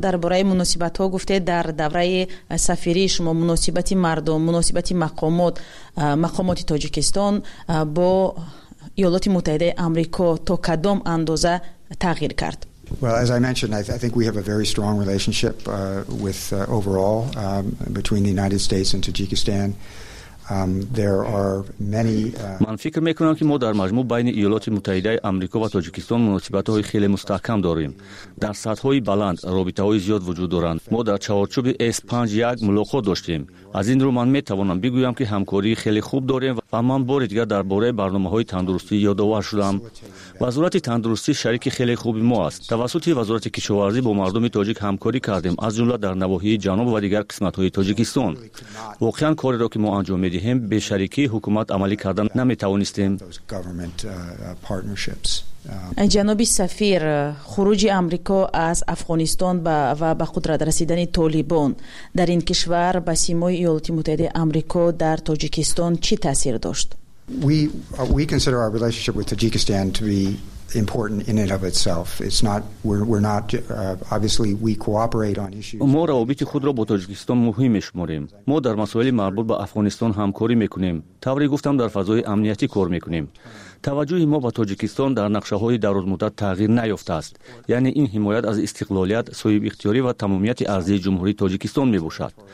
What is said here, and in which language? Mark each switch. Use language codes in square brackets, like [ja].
[fa] در برای مناسبت ها گفته در دوره سفری شما مناسبت مردم، مناسبت مقامات، مقامات تاجیکستان با ایالات متحده آمریکا تا کدام اندازه تغییر کرد؟ [en] Well, as I mentioned, I think we have a very strong relationship with overall between the United States and Tajikistan. There are many [fa] من فکر میکنم که ما در مجموع بین ایالات متحده آمریکا و تاجیکستان مناسبت های خیلی مستحکم داریم. در سطح های بلند رابطه های زیاد وجود دارند. ما در چهارچوب S51 ملاقات داشتیم. از این رو من میتوانم بگویم که همکاری خیلی خوب داریم و من بار دیگر درباره برنامه های تندرستی یادآور شدم. وزارت تندرستی شریک خیلی خوبی ما است. توسط وزارت کشاورزی با مردم تاجیک همکاری کردیم، از جمله در نواحی جنوب و دیگر قسمت های تاجیکستان. واقعا کاری را که ما انجام میدهیم به شریکی حکومت عملی کردن نمیتوانستیم. جناب سفیر، خروج آمریکا از افغانستان و به قدرت رسیدن طالبان در این کشور به سیمای ایالات متحده آمریکا در تاجیکستان چی تاثیر داشت؟ [en] We consider our relationship with Tajikistan to be important in and of itself. It's not we're not obviously we cooperate on issues. [fa] ما روابط خود را با تاجیکستان مهم میشماریم. ما در مسائل مربوط به افغانستان همکاری میکنیم. طوری گفتم در فضای امنیتی کار میکنیم. توجه ما به تاجیکستان در نقشه های درازمدت تغییر نیافته است. یعنی این حمایت از استقلالیت، صاحب اختیاری و تمامیت ارضی جمهوری تاجیکستان میباشد.